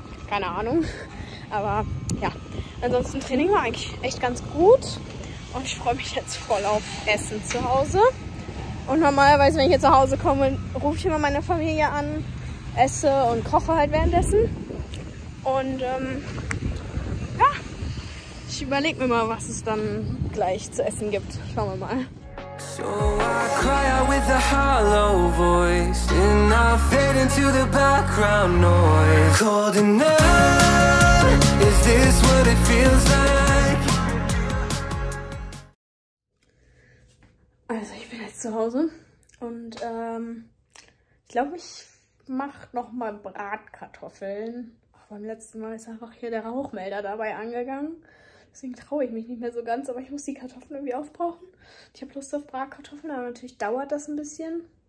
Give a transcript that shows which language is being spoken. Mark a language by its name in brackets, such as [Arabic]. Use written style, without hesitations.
[German] keine Ahnung, aber ja, ansonsten Training war eigentlich echt ganz gut und ich freue mich jetzt voll auf Essen zu Hause und normalerweise, wenn ich hier zu Hause komme, rufe ich immer meine Familie an, esse und koche halt währenddessen und ich überlege mir mal, was es dann gleich zu essen gibt. Schauen wir mal. [English] So I cry out with a hollow voice and I fade into the background noise. Cold enough, is this what it feels like? [German] Also ich bin jetzt zu Hause und ich glaube, ich mache nochmal Bratkartoffeln. Ach, beim letzten Mal ist einfach hier der Rauchmelder dabei angegangen. Deswegen traue ich mich nicht mehr so ganz, aber ich muss die Kartoffeln irgendwie aufbrauchen. Ich habe Lust auf Bratkartoffeln, aber natürlich dauert das ein bisschen.